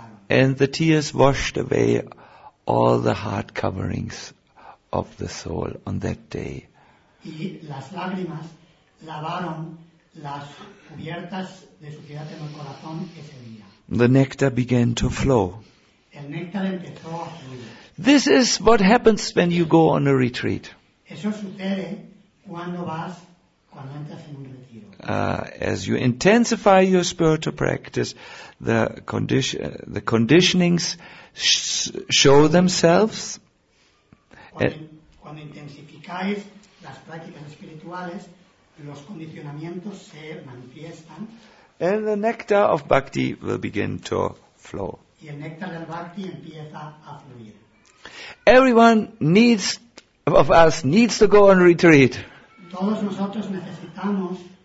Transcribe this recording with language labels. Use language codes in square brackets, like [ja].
[en] And the tears washed away all the hard coverings of the soul on that day. [es] Y las lágrimas lavaron las cubiertas de suciedad en el corazón ese día. [en] The nectar began to flow. [es] El néctar empezó a fluir. [en] This is what happens when you go on a retreat. [es] Eso sucede cuando vas, cuando entras en un retiro. [en] As you intensify your spiritual practice, the conditionings show themselves. [es] Cuando intensificáis las prácticas espirituales, los condicionamientos se manifiestan. [en] And the nectar of bhakti will begin to flow. [es] Y el néctar del bhakti empieza a fluir. [en] Everyone needs of us needs to go on retreat. [es] Todos nosotros necesitamos.